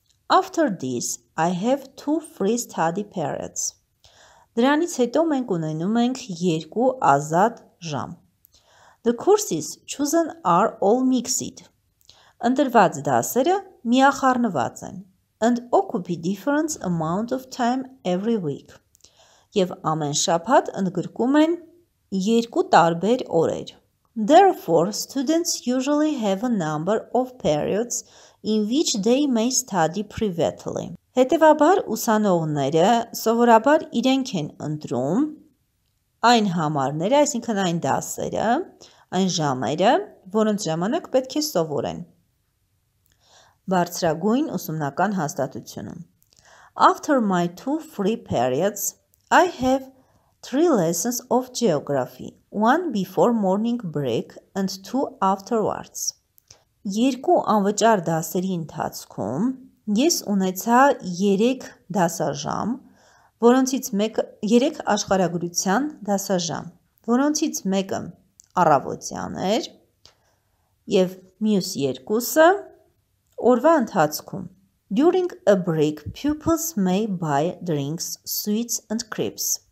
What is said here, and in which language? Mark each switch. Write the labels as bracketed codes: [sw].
[en] After this, I have two free study periods. [hy] Դրանից հետո մենք ունենում ենք երկու ազատ ժամ. [en] The courses chosen are all mixed. [hy] Ընտրված դասերը միախառնված են [en] and occupy different amount of time every week. [hy] Եվ ամեն շաբաթ ընդգրկում են երկու տարբեր օրեր. [en] Therefore, students usually have a number of periods in which they may study privately. [hy] Հետևաբար ուսանողները սովորաբար իրենք են ընտրում այն համարները, այսինքն այն դասերը, այն ժամերը, որոնց ժամանակ պետք է սովորեն բարձրագույն ուսումնական հաստատությունում. [en] After my two free periods, I have three lessons of geography, one before morning break and two afterwards. [hy] Երկու անվճար դասերի ընթացքում ես ունեցա 3 դասաժամ, որոնցից մեկը 3 աշխարհագրության դասաժամ, որոնցից մեկը առավոտյան էր եւ մյուս երկուսը օրվա ընթացքում. [en] During a break, pupils may buy drinks, sweets and crepes.